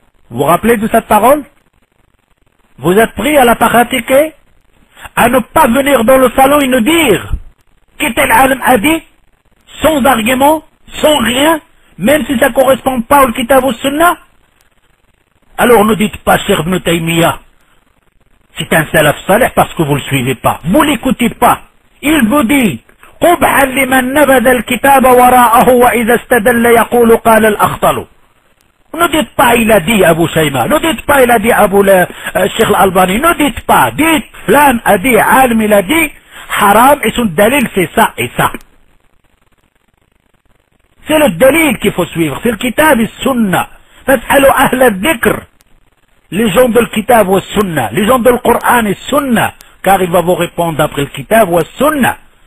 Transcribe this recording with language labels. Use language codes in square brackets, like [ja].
[fr] Vous vous rappelez de cette parole? Vous êtes pris à la pratiquer, à ne pas venir dans le salon et nous dire que tel alim a dit, sans argument, sans rien. Même si ça ne correspond pas au kitab ou sunna, alors ne dites pas, Cheikh Ibn Taymiyyah, c'est un salaf salih parce que vous ne le suivez pas. Vous ne l'écoutez pas. Il vous dit, [ar] قُبْحًا لِمَنْ نَبَذَ الْكِتَابَ وَرَاءَهُ وَإِذَا اسْتَدَلَّ يَقُولُ قَالَ الْأَخْطَلُ. [fr] Ne dites pas, il a dit Abu Shayma. Ne dites pas, il a dit Abu Cheikh Al-Albani. Ne dites pas, dites, flam a dit, alim il a dit, haram, et son dalil c'est ça et ça. C'est le dalil qu'il faut suivre, c'est le kitab et le sunna. [ar] Fas'alu ahla dhikr, [fr] les gens de le kitab ou le sunna, les gens de le Coran et le sunna, car il va vous répondre après le kitab ou le sunna.